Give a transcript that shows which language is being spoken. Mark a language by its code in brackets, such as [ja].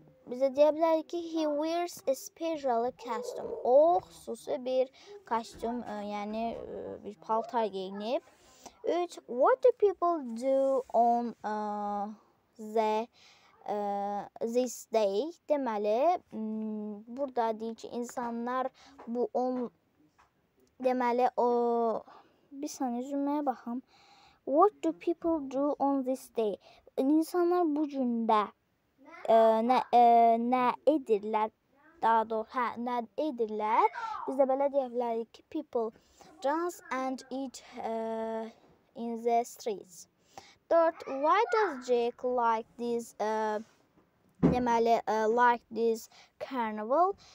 [az] Bizə deyə bilərik ki, [en] he wears a special costume. [az] O, xüsusi bir kostyum, yəni bir paltar giyinib. 3. [en] What do people do on this day? [az] Deməli, burada deyir ki, insanlar bu on, deməli, o, bir saniyə cümləyə baxım. [en] What do people do on this day? [az] İnsanlar bu gündə nə edirlər? Daha doğrusu, nə edirlər? Biz də belə deyə bilərik ki, [en] people dance and eat in the streets. [az] 4. [en] Why does Jake like this [az] deməli, [en] like this carnival?